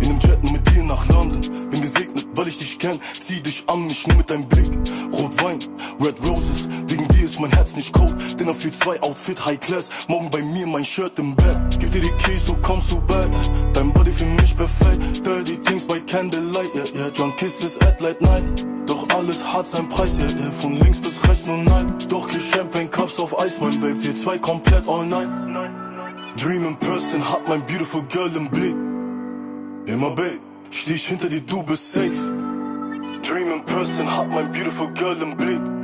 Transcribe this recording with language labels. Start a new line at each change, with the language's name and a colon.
German: In einem Jet mit dir nach London. Bin gesegnet, weil ich dich kenn. Zieh dich an mich nur mit deinem Blick. Rotwein, Red Roses. Wegen dir ist mein Herz nicht cold. Dinner für zwei, Outfit High Class. Morgen bei mir mein Shirt im Bett. Gib dir die Keys, so kommst du back. Dein Body für mich perfekt.
English: Dirty things by candlelight. Yeah, yeah. Drunk kisses at late night.
German: Doch alles hat seinen Preis, yeah, yeah. Von links bis rechts nur nein. Doch kein Champagne Cups auf Eis, mein Babe. Wir zwei komplett all night.
English: Dream in person,
German: hat mein beautiful girl im Blick. Immer Babe, steh ich hinter dir, du bist safe.
English: Dream in person,
German: hat mein beautiful girl im Blick.